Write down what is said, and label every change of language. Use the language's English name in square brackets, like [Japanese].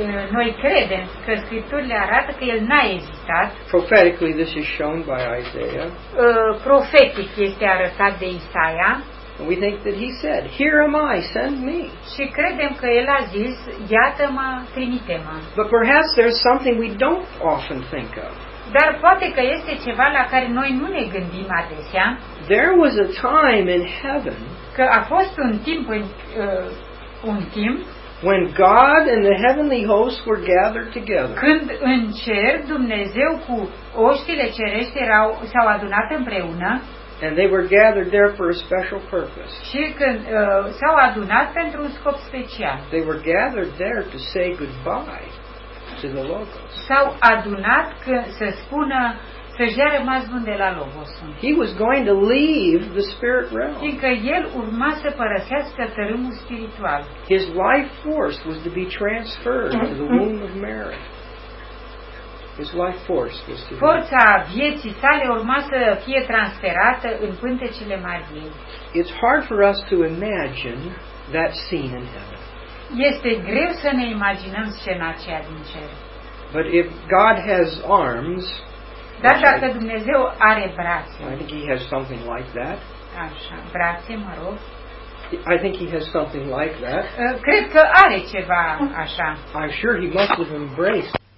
[Romanian] Noi credem că scripturile arată că el n-a ezitat. [English] Prophetically, this is shown by Isaiah. [Romanian] Profetic este arătat de Isaia. [English] And we think that he said, "Here am I, send me." [Romanian] Și credem că el a zis, "Iată-mă, trimite-mă." [English] But perhaps there's something we don't often think of. [Romanian] Dar poate că este ceva la care noi nu ne gândim adesea. [English] There was a time in heaven. [Romanian] Că a fost un timp în un timp. [English] When God and the heavenly hosts were gathered together. [Romanian] Când în cer Dumnezeu cu oștile cerești erau s-au adunat împreună. [English] And they were gathered there for a special purpose. [Romanian] Și când s-au adunat pentru un scop special. [English] They were gathered there to say goodbye to the Logos. [Romanian] S-au adunat că să spună că rămas bun de la Logos. [English] He was going to leave the spirit realm. [Romanian] Fiindcă el urma să părăsească tărâmul spiritual. [English] His life force was to be transferred to the womb of Mary. His life force was to be. [Romanian] Forța vieții sale urma să fie transferată în pântecile Mariei. [English] It's hard for us to imagine that scene in heaven. [Romanian] Este greu să ne imaginăm scena aceea din cer. [English] But if God has arms, [Romanian] dar dacă Dumnezeu are brațe, [English] I think he has something like that. [Romanian] Așa, brațe, mă rog. [English] I think he has something like that. [Romanian] Cred că are ceva așa. [English] I'm sure he must have embraced